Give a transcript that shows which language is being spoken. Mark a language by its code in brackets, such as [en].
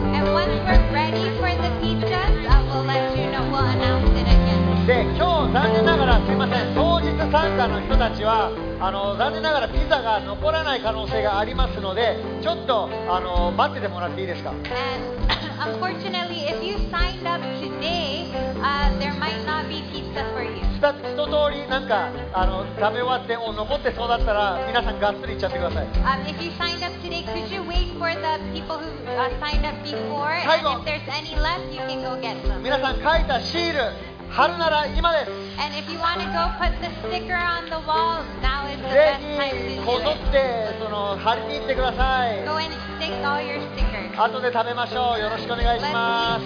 [en] And once we're ready for the pizzas, I will let you know, we'll announce it again. [ja] で、今日残念ながら、すいません、当日参加の人たちは残念ながらピザが残らない可能性がありますので、ちょっと待っててもらっていいですか。 [en] And unfortunately, if you signed up today, there might not be pizza for you. [ja] 一通りなんか食べ終わって残ってそうだったら皆さんガッツリ行っちゃってください。 [en] If you signed up today, could you wait for the people who signed up before? And if there's any left, you can go get some. [ja] 皆さん書いたシール貼るなら今です。 [en] And if you want to go put the sticker on the wall, now is the best time to do it. [ja] ぜひこぞって貼りに行ってください。 [en] Go and stick all your stickers. [ja] 後で食べましょう。よろしくお願いします。